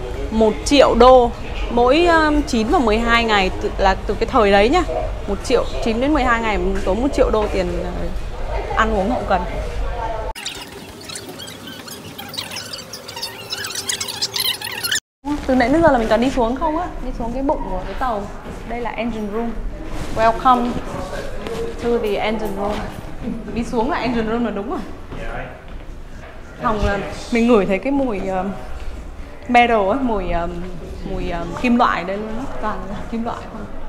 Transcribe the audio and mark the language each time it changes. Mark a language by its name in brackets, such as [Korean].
[Vietnamese] $1,000,000 mỗi 9 và 12 ngày là từ cái thời đấy nhá. 1,000,000 9 đến 12 ngày tốn $1,000,000 tiền ăn uống hậu cần. Từ nãy đến giờ là mình toàn đi xuống không á, đi xuống cái bụng của cái tàu. Đây là engine room. [English] Welcome to the engine room. [Vietnamese] Đi xuống là engine room là đúng rồi. Hồng là mình ngửi thấy cái mùi metal á, mùi kim loại đây luôn á, toàn là kim loại không.